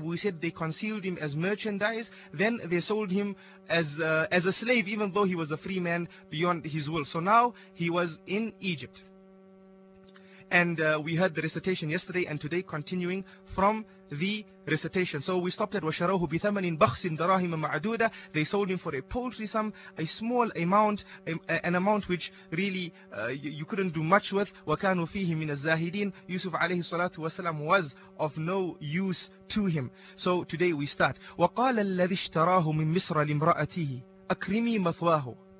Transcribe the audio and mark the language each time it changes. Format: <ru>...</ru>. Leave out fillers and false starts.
<en>We said they concealed him as merchandise. Then they sold him as a slave, even though he was a free man beyond his will. So now he was in Egypt. And we heard the recitation yesterday and today, continuing from the recitation. So we stopped at</en> <ar>وَشَرَوْهُ بِثَمَنٍ بَخْسٍ دَرَاهِمَ مَعْدُودَ.</ar> <en>They sold him for a paltry sum, a small amount, an amount which really you couldn't do much with.</en> <ar>وَكَانُوا فِيهِ مِنَ الزَّاهِدِينَ.</ar> <en>Yusuf alayhi salatu wasalam was of no use to him. So today we start.</en> <ar>وَقَالَ الَّذِي اشْتَرَاهُ مِن مِصْرَ لِمْرَأَتِهِ أَكْرِمِي مَثْوَاهُ.</ar>